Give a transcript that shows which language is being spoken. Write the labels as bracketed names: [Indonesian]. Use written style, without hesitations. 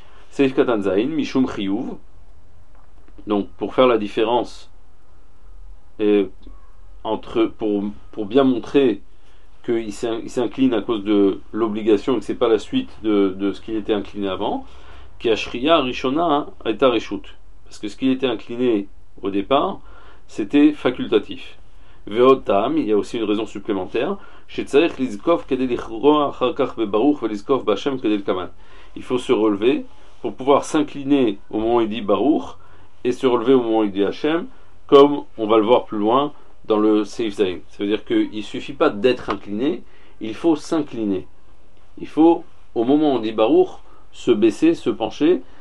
[Hebrew] Seif Katan Zain, Mishum Chiyuv. [French] Donc, pour faire la différence, et entre pour bien montrer qu'il s'incline à cause de l'obligation et que ce n'est pas la suite de ce qu'il était incliné avant, [Hebrew] Kiashriya Rishona Eta Reshut. [French] Parce que ce qu'il était incliné au départ, c'était facultatif. Veotam, il y a aussi une raison supplémentaire. [Hebrew] שצריך לזקוף כדי לכרוע אחר כך בברוך ולזקוף בהשם כדי לקמן. [French] Il faut se relever pour pouvoir s'incliner au moment où il dit Baruch et se relever au moment où il dit Hashem, comme on va le voir plus loin dans le Seif Zayin. Ça veut dire qu'il ne suffit pas d'être incliné, il faut s'incliner. Il faut, au moment où on dit Baruch, se baisser, se pencher.